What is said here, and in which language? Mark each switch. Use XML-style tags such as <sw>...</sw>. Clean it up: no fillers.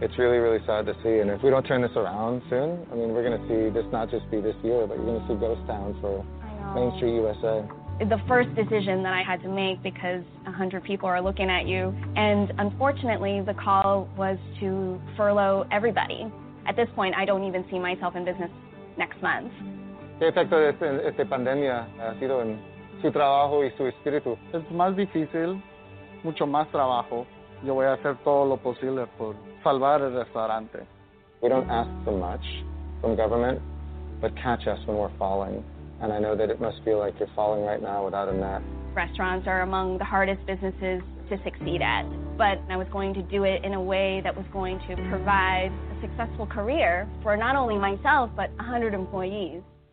<en>It's really, really sad to see. And if we don't turn this around soon, I mean, we're going to see this not just be this year, but you're going to see ghost towns for Main Street USA. The first decision that I had to make, because 100 people are looking at you, and unfortunately, the call was to furlough everybody. At this point, I don't even see myself in business next month.</en> <es>¿Qué efecto de esta pandemia ha sido en su trabajo y su espíritu? Es más difícil, mucho más trabajo. Yo voy a hacer todo lo posible por salvar el restaurante.</es> <en>We don't ask for much from government, but catch us when we're falling. And I know that it must feel like you're falling right now without a net. Restaurants are among the hardest businesses to succeed at, but I was going to do it in a way that was going to provide a successful career for not only myself, but 100 employees.</en>